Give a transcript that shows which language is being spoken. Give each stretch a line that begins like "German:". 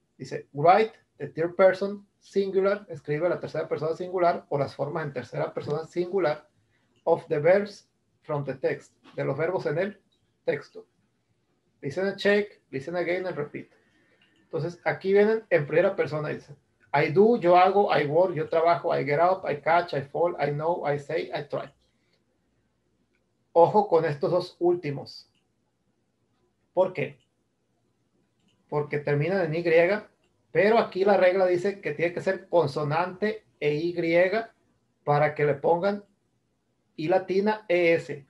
Spanish: Dice,
English: write the third person singular.
Spanish: Escribe la tercera persona singular o las formas en tercera persona singular
English: of the verbs from the text.
Spanish: De los verbos en el texto.
English: Listen and check, listen again and repeat.
Spanish: Entonces, aquí vienen en primera persona.
English: Dice, I do,
Spanish: yo hago,
English: I work,
Spanish: yo trabajo,
English: I get up, I catch, I fall, I know, I say, I try.
Spanish: Ojo con estos dos últimos. ¿Por qué? Porque terminan en Y, pero aquí la regla dice que tiene que ser consonante e Y para que le pongan I latina ES.